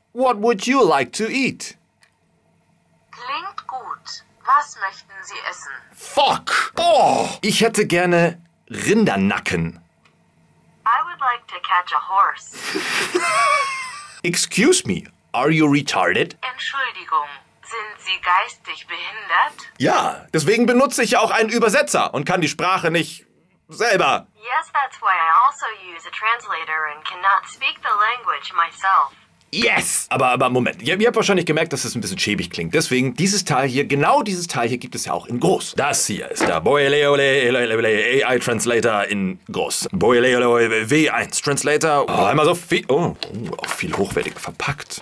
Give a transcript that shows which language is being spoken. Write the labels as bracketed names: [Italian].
[English] What would you like to eat? [German] Klingt gut. Was möchten Sie essen? [English] Fuck. [German] Oh, ich hätte gerne Rindernacken. [English] I would like to catch a horse. Excuse me, are you retarded? [German] Entschuldigung. Sind Sie geistig behindert? Ja, deswegen benutze ich ja auch einen Übersetzer und kann die Sprache nicht selber. [English] Yes, that's why I also use a translator and cannot speak the language myself. Yes! [German] Aber Moment, ihr habt wahrscheinlich gemerkt, dass es ein bisschen schäbig klingt. Deswegen, dieses Teil hier, genau dieses Teil hier gibt es ja auch in groß. Das hier ist der Boileole AI Translator in groß. Boileole W1 Translator. Oh, einmal so viel. Auch viel hochwertig verpackt.